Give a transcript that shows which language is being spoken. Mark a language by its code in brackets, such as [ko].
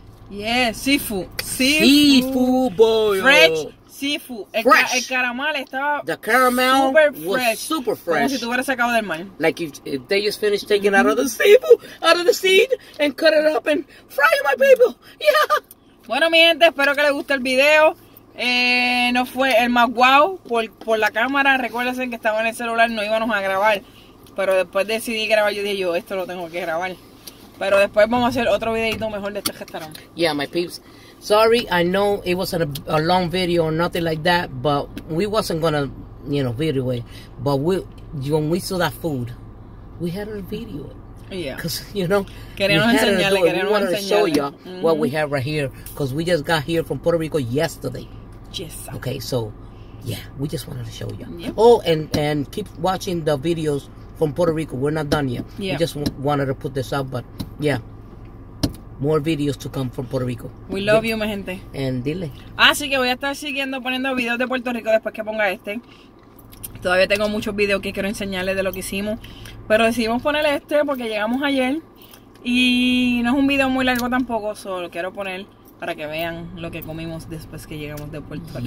[en] Yeah, seafood. Seafood, boy. Fresh seafood. Fresh. [es] El caramel estaba [en] the caramel super fresh. Was super fresh. [es] Como si tuviera sacado del mar. [en] Like if they just finished taking out of the seafood, out of the seed, and cut it up and fry my people. Yeah. [es] Bueno, mi gente, espero que les guste el video. No fue el más guau por la cámara. Recuérdense que estaba en el celular, no íbamos a grabar. Pero después decidí grabar, yo dije, yo esto lo tengo que grabar. Pero después vamos a hacer otro videito mejor de este restaurante. [en] Yeah, my peeps. Sorry, I know it wasn't a long video or nothing like that. But we wasn't gonna, you know, video it. But when we saw that food, we had a video. Yeah. Because, you know, [es] queremos enseñarle. [en] To show y'all what we have right here. Because we just got here from Puerto Rico yesterday. Yes. Okay, so, yeah, we just wanted to show y'all. Yep. Oh, and keep watching the videos from Puerto Rico. We're not done yet. Yeah. We just wanted to put this up, but yeah. More videos to come from Puerto Rico. We love you, [es] mi gente. [en] And [es] dile. Así que voy a estar siguiendo poniendo videos de Puerto Rico después que ponga este. Todavía tengo muchos videos que quiero enseñarles de lo que hicimos. Pero decidimos poner este porque llegamos ayer. Y no es un video muy largo tampoco, solo quiero poner para que vean lo que comimos después que llegamos de Puerto Rico.